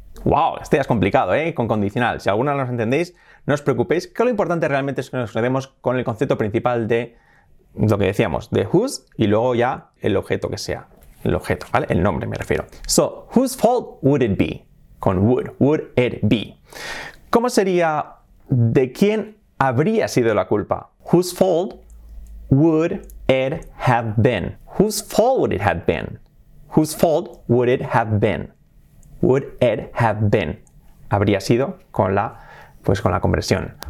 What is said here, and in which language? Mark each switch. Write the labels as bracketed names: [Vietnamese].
[Spanish] Wow, este ya es complicado, ¿eh? Con condicional. Si alguna no os entendéis, no os preocupéis, que lo importante realmente es que nos quedemos con el concepto principal de lo que decíamos, de whose, y luego ya el objeto que sea. El objeto, ¿vale? El nombre me refiero. [English] So, whose fault would it be? [Spanish] Con [English] would it be? [Spanish] ¿Cómo sería de quién habría sido la culpa? [English] Whose fault would it have been? Whose fault would it have been? Whose fault would it have been? Would it have been? [Spanish] Habría sido con la, pues con la conversión.